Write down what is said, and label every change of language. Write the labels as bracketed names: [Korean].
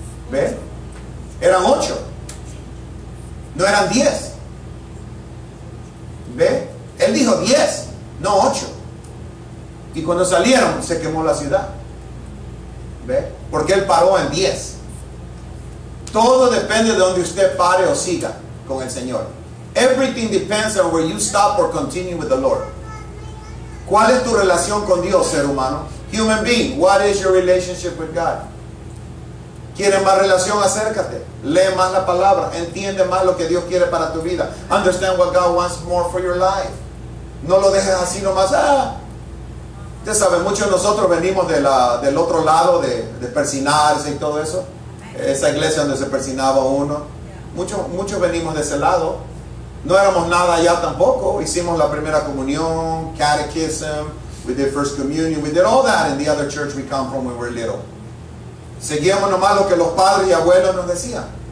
[Spanish] ¿Ve? Eran 8. No eran 10. ¿Ve? Él dijo 10, no 8. Y cuando salieron, se quemó la ciudad. ¿Ve? Porque él paró en 10. Todo depende de donde usted pare o siga con el Señor. [English] Everything depends on where you stop or continue with the Lord. [Spanish] ¿Cuál es tu relación con Dios, ser humano? [English] Human being, what is your relationship with God? [Spanish] ¿Quieres más relación? Acércate. Lee más la palabra. Entiende más lo que Dios quiere para tu vida. [English] Understand what God wants more for your life. [Spanish] No lo dejes así nomás. Ah. Usted sabe, muchos de nosotros venimos del otro lado de persinarse y todo eso. Esa iglesia donde se persinaba uno. Muchos venimos de ese lado. No éramos nada allá tampoco. Hicimos la primera comunión, [English] catechism, we did first communion, we did all that in the other church we come from when we were little. [Spanish] Seguíamos nomás lo que los padres y abuelos nos decían.